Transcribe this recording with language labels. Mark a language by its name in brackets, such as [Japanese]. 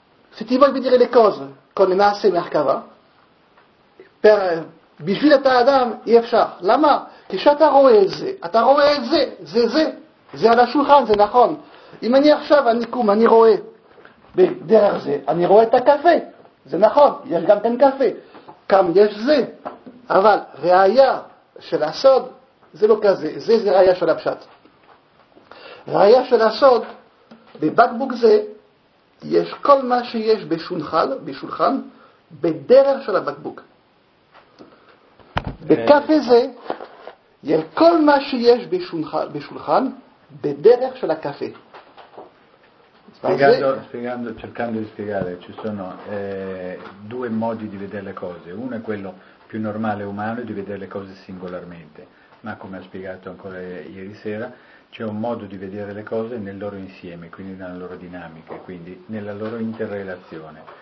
[Italian] Se ti vuoi vedere le cose con Nasse Merkava, per... [Hebrew] בשביל אתה אדם אי אפשר. למה? כשאתה רואה את זה, אתה רואה את זה, זה זה, זה על השולחן, זה נכון. אם אני עכשיו, אני קום, אני רואה בדרך זה, אני רואה את הקפה, זה נכון, יש גם כאן קפה. כאן יש זה, אבל ראייה של הסוד זה לא כזה, זה ראייה של הפשט. ראייה של הסוד, בבקבוק זה, יש כל מה שיש בשולחן, בשולחן, בדרך של הבקבוק. בקפה זה יהיה כל מה שיש בשולחן בדרך של הקפה. [Italian] Spiegando, cercando di spiegare, ci sono due modi di vedere le cose. Uno è quello più normale umano di vedere le cose singolarmente, ma come ha spiegato ancora ieri sera, c'è un modo di vedere le cose nel loro insieme, quindi nella loro dinamica, quindi nella loro interrelazione.